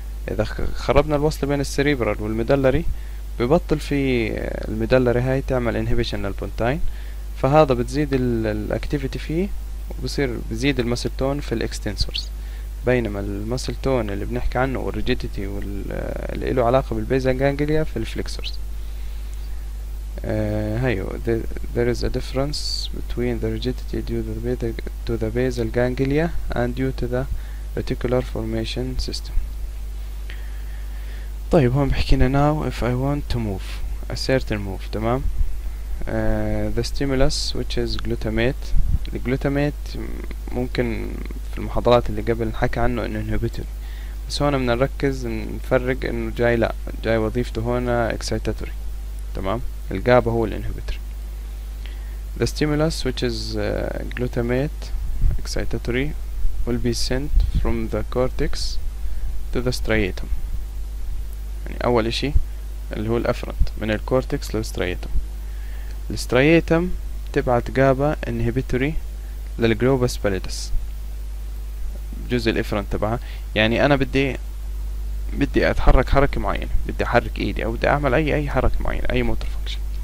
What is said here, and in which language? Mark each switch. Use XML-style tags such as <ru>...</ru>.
<ar>اذا خربنا الوصل بين السيريبرال والميدلري ببطل في الميدلري هاي تعمل انهيبيشن للبونتاين، فهذا بتزيد الاكتيفيتي فيه وبصير بزيد المسل تون في الاكستنسورز. بينما المسل تون اللي بنحكي عنه والريجيديتي واللي له علاقه بالبيزن جانجليا في الفليكسورز.</ar> <en>هيو there is a difference between the rigidity due to the basal ganglia and due to the reticular formation system.</en> <ar>طيب هون بحكينا</ar> <en>now if I want to move a certain move، تمام؟ the stimulus which is glutamate.</en> <ar>الجلوتامate ممكن في المحاضرات اللي قبل نحكي عنه انه انهبيتور، بس هون بدنا نركز نفرق انه جاي، لا جاي وظيفته هون اكسيتاتوري، تمام؟ الجابا هو الانهبيتور.</ar> <en>The stimulus which is glutamate excitatory will be sent from the cortex to the striatum.</en> <ar>يعني اول اشي اللي هو الافرنت من الكورتكس للسترياتوم، الاسترياتم تبعت جابا انهبيتوري للجلوبس باليدس جزء الافرنت تبعها. يعني انا بدي اتحرك حركة معينة، بدي احرك ايدي او بدي اعمل اي حركة معينة، اي موتور فانكشن.</ar>